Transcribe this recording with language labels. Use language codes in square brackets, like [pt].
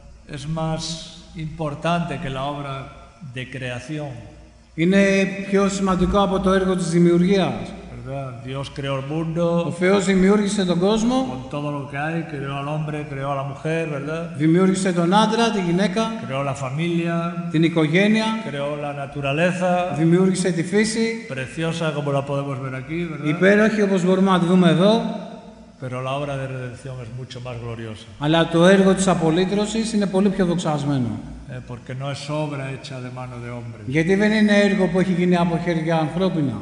[es] Es más importante que la obra de creación. [el] Είναι πιο σημαντικό από το έργο της δημιουργίας. [es] Dios creó el mundo. [el] Ο Θεός δημιούργησε τον κόσμο. [es] Con todo lo que hay, creó al hombre, creó a la mujer, ¿verdad? [el] Δημιούργησε τον άντρα, τη γυναίκα. [es] Creó la familia. [el] Την οικογένεια. [es] Creó la naturaleza. [el] Δημιούργησε τη φύση. [es] Preciosa como la podemos ver aquí, ¿verdad? [el] Υπέροχη όπως μπορούμε να τη δούμε εδώ. [es] Pero la obra de redención es mucho más gloriosa. [el] Αλλά το έργο της απολύτρωσης είναι πολύ πιο δοξασμένο. [es] Porque no es obra hecha de mano de hombre. [el] Γιατί δεν είναι έργο που έχει γίνει από χέρια ανθρώπινα.